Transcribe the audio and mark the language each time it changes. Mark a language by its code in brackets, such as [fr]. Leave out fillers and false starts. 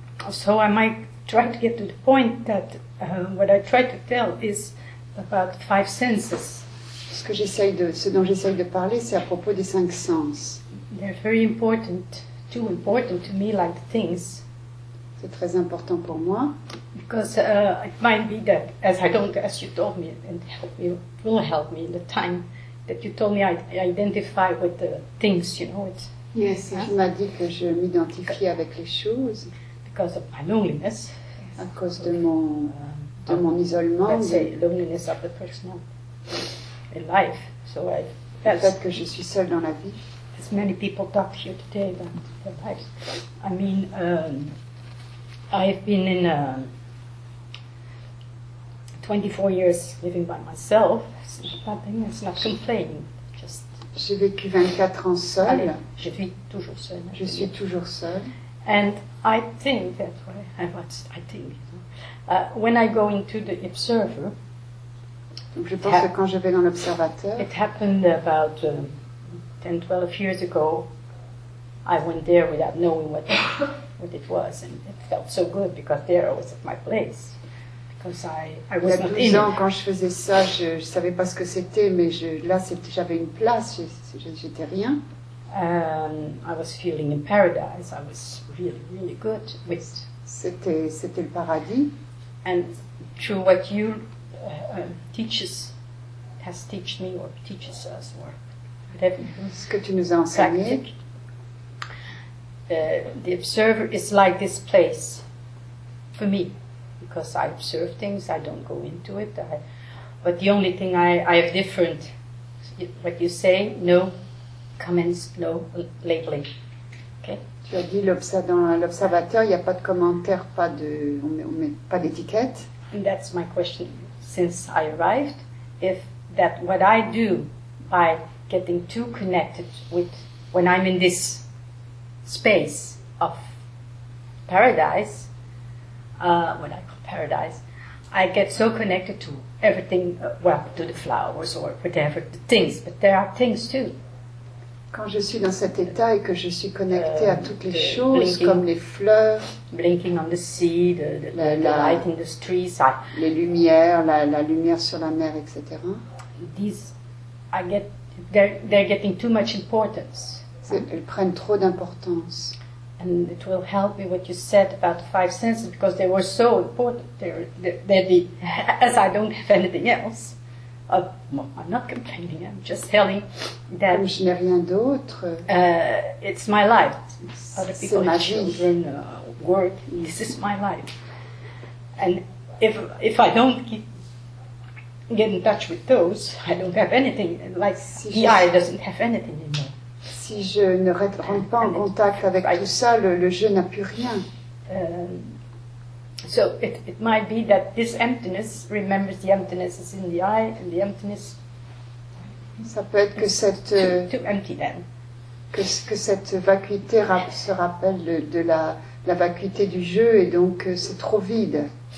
[en] So I might try to get to the point that what I try to tell is about five senses. [fr] Ce que j'essaye de, ce dont j'essaye de parler, c'est à propos des cinq sens. [en] They're very important, too important to me, like the things. [fr] C'est très important pour moi. [en] Because it might be that, as I don't, as you told me, and help me, will help me in the time that you told me, I identify with the things, you know. It's, yes, yeah. [fr] Tu m'as dit que je m'identifie avec les choses. [en] Because of my loneliness. Yes. [fr] À cause de mon isolement. [en] Let's say loneliness of the personal in life. So I. [fr] Le fait que je suis seule dans la vie. [en] As many people talk here today about their lives. I mean. I've been in 24 years living by myself. It's not complaining. Just. [fr] J'ai vécu 24 ans seule. Allez, je vis toujours seule. Je suis toujours seule. [en] And I think that way. I think. You know, when I go into the observer. [fr] Donc je pense que quand je vais dans l'observateur. [en] It happened about 10-12 years ago. I went there without knowing what it was, and it felt so good because there I was at my place, because I was not in. [fr] Il y a 12 ans, quand je faisais ça, je savais pas ce que c'était, mais j'avais une place, j'étais rien. [en] I was feeling in paradise. I was really, really good. [fr] C'était le paradis. [en] And through what you teaches us, or whatever. [fr] Ce que tu nous as enseigné. Practic, [en] The observer is like this place for me, because I observe things, I don't go into it. But the only thing I have different, what you say, no comments, no labeling. Okay. [fr] Tu as dit dans l'observateur, il n'y a pas de commentaires, on met pas d'étiquette. [en] And that's my question. Since I arrived, if that what I do by getting too connected with when I'm in this. Space of paradise, when I call paradise, I get so connected to everything, well, to the flowers or whatever, the things, but there are things too. [fr] Quand je suis dans cet état et que je suis connectée à toutes les choses, blinking, comme les fleurs, [en] blinking on the sea, the light in the streets, [fr] les lumières, la lumière sur la mer, etc. [en] These, I get, they're getting too much importance. [fr] Elles prennent trop d'importance. [en] And it will help me what you said about the five senses because they were so important. As I don't have anything else, I'm not complaining. I'm just telling that. [fr] Comme je n'ai rien d'autre. [en] It's my life. Other people have children, work. This is my life. And if I don't get in touch with those, I don't have anything. Like the eye doesn't have anything anymore. [fr] Si je ne rentre pas en contact avec tout ça, le jeu n'a plus rien. [en] So it might be that this emptiness remembers the emptiness is in the eye, and the emptiness. [fr] Ça peut être que cette [en] too empty then. [fr] Que cette vacuité se rappelle de la vacuité du jeu et donc c'est trop vide.